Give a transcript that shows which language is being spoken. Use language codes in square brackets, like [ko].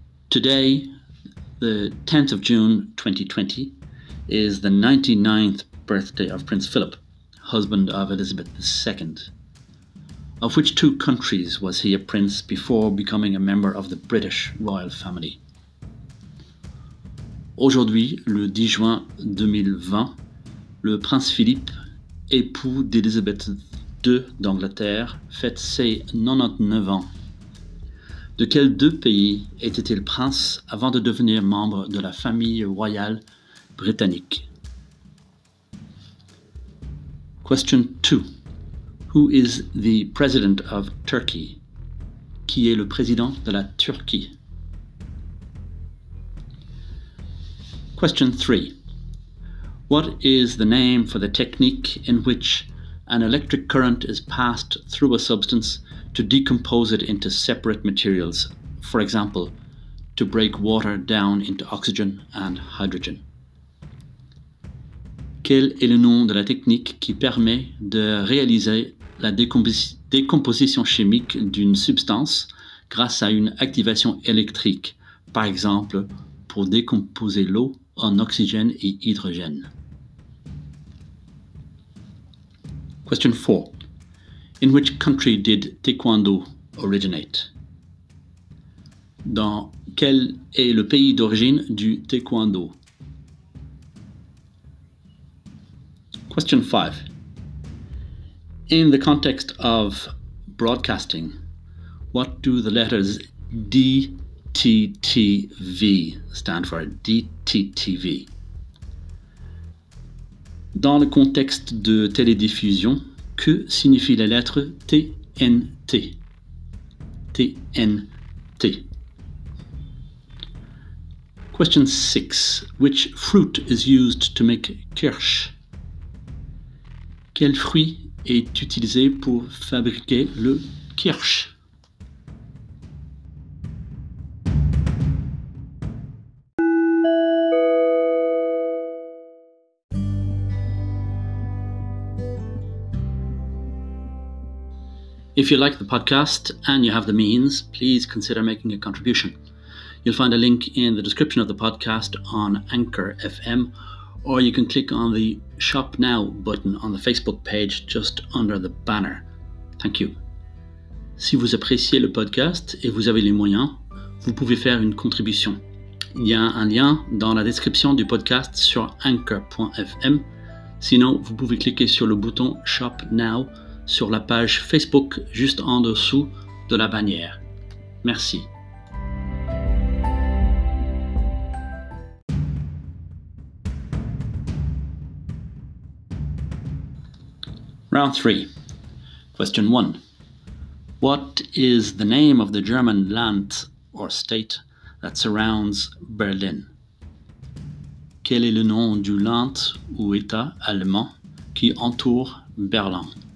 [en] Today, the 10th of June 2020, is the 99th birthday of Prince Philip, husband of Elizabeth II. Of which two countries was he a prince before becoming a member of the British royal family? [fr] Aujourd'hui, le 10 juin 2020, le prince Philippe, époux d'Elizabeth II d'Angleterre, fête ses 99 ans. De quels deux pays était-il prince avant de devenir membre de la famille royale britannique? [en] Question 2. Who is the president of Turkey? [fr] Qui est le président de la Turquie? [en] Question 3. What is the name for the technique in which an electric current is passed through a substance to decompose it into separate materials, for example, to break water down into oxygen and hydrogen? [fr] Quel est le nom de la technique qui permet de réaliser la décomposition chimique d'une substance grâce à une activation électrique, par exemple, pour décomposer l'eau en oxygène et hydrogène? [en] Question 4. In which country did Taekwondo originate? [fr] Dans quel est le pays d'origine du Taekwondo? [en] Question 5. In the context of broadcasting, what do the letters DTTV stand for? DTTV. [fr] Dans le contexte de télédiffusion, que signifient les lettres TNT? TNT. [en] Question 6. Which fruit is used to make kirsch? [fr] Quel fruit est utilisé pour fabriquer le kirsch? [en] If you like the podcast and you have the means, please consider making a contribution. You'll find a link in the description of the podcast on Anchor FM, or you can click on the Shop Now button on the Facebook page just under the banner. Thank you. [fr] Si vous appréciez le podcast et vous avez les moyens, vous pouvez faire une contribution. Il y a un lien dans la description du podcast sur Anchor.fm. Sinon, vous pouvez cliquer sur le bouton Shop Now sur la page Facebook juste en dessous de la bannière. Merci. [en] Round 3. Question 1. What is the name of the German land or state that surrounds Berlin? [fr] Quel est le nom du land ou état allemand qui entoure Berlin?